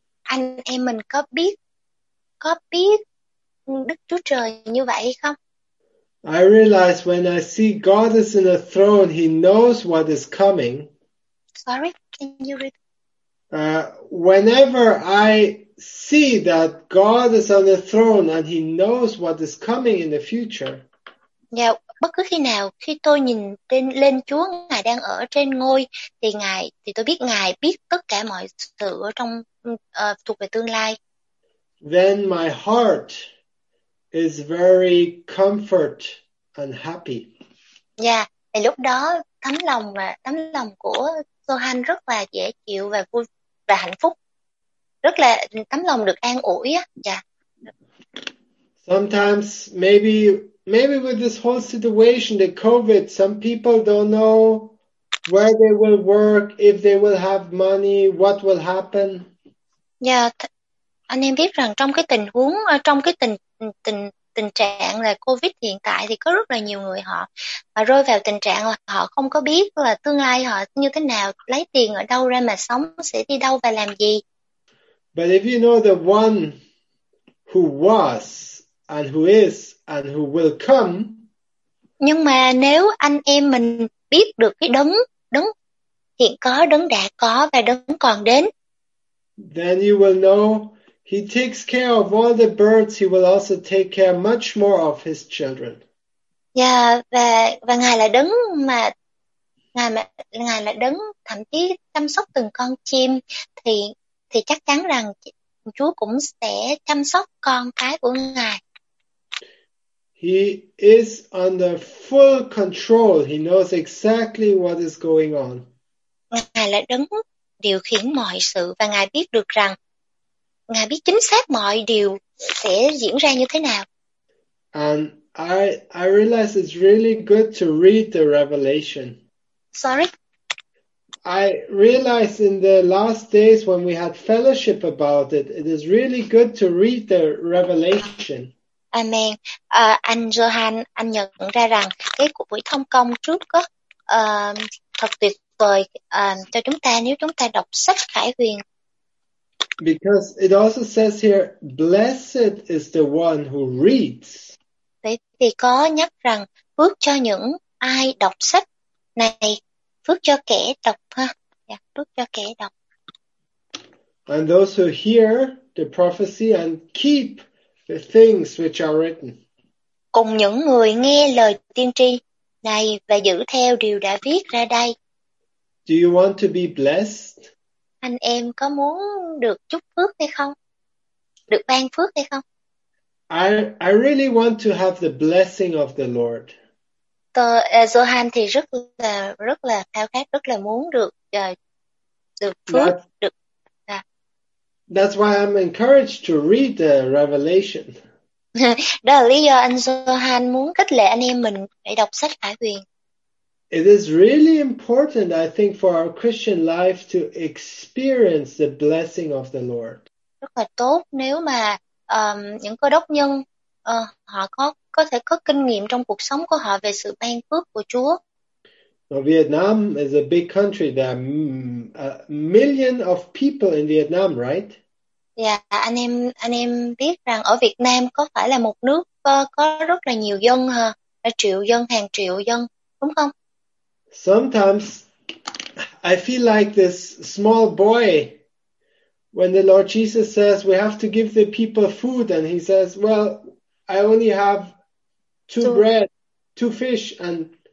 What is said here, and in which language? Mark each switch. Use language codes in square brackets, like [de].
[vi] Anh em mình có biết Đức Chúa Trời như vậy không? [en] I realize when I see God is in a throne, he knows what is coming. Sorry, can you read? Whenever I see that God is on the throne and he knows what is coming in the future. [vi] Yeah, bất cứ khi nào khi tôi nhìn lên Chúa, Ngài đang ở trên ngôi thì tôi biết Ngài biết tất cả mọi sự ở trong thuộc về tương lai. [en] Then my heart is very comfort and happy. [vi] Yeah, thì lúc đó tấm lòng của Johan rất là dễ chịu và vui và hạnh phúc. Rất là tấm lòng được an ủi á. [en] Yeah. Sometimes maybe with this whole situation, the COVID, some people don't know where they will work, if they will have money, what will happen. [vi] Yeah, anh em biết rằng trong cái tình huống, trong cái tình trạng là COVID hiện tại thì có rất là nhiều người họ mà rơi vào tình trạng là họ không có biết là tương lai họ như thế nào, lấy tiền ở đâu ra mà sống, sẽ đi đâu và làm gì. [en] But if you know the one who was and who is and who will come. [vi] Nhưng mà nếu anh em mình biết được cái đấng hiện có, đấng đã có và đấng còn đến. [en] Then you will know he takes care of all the birds, he will also take care much more of his children. [vi] Yeah, và Ngài là đấng mà Ngài là đấng thậm chí chăm sóc từng con chim thì chắc chắn rằng Chúa cũng sẽ chăm sóc con cái của Ngài. [en] He is under full control. He knows exactly what is going on. [vi] Ngài là đấng điều khiển mọi sự và Ngài biết được rằng Ngài biết chính xác mọi điều sẽ diễn ra như thế nào. [en] And I realize it's really good to read the Revelation. Sorry. I realize in the last days when we had fellowship about it, it is really good to read the Revelation. Amen. [vi] Anh Johan, anh nhận ra rằng cái cuộc buổi thông công trước đó thật tuyệt vời cho chúng ta nếu chúng ta đọc sách Khải Huyền. [en] Because it also says here, blessed is the one who reads. [vi] Vì có nhắc rằng phước cho những ai đọc sách này. Phước cho kẻ đọc ha. Yeah, phước cho kẻ đọc. [en] And those who hear the prophecy and keep the things which are written. [vi] Cùng những người nghe lời tiên tri này và giữ theo điều đã viết ra đây. [en] Do you want to be blessed? [vi] Anh em có muốn được chúc phước hay không? được ban phước hay không? [en] I really want to have the blessing of the Lord. [vi] Johan thì rất là khao khát, rất là muốn được được phước, được. [en] That's why I'm encouraged to read the Revelation. [vi] Đó là lý do anh Johan muốn khích lệ anh em mình để đọc sách Khải Huyền. [en] It is really important, I think, for our Christian life to experience the blessing of the Lord. [vi] Rất là tốt nếu mà những cơ đốc nhân họ có thể có kinh nghiệm trong cuộc sống của họ về sự ban phước của Chúa. [en] Now, Vietnam is a big country. There are a million of people in Vietnam, right? [vi] Yeah, anh em biết rằng ở Việt Nam có phải là một nước có rất là nhiều dân hả? Triệu dân, hàng triệu dân, đúng không? [en] Sometimes I feel like this small boy when the Lord Jesus says we have to give the people food and he says, well, I only have two fish and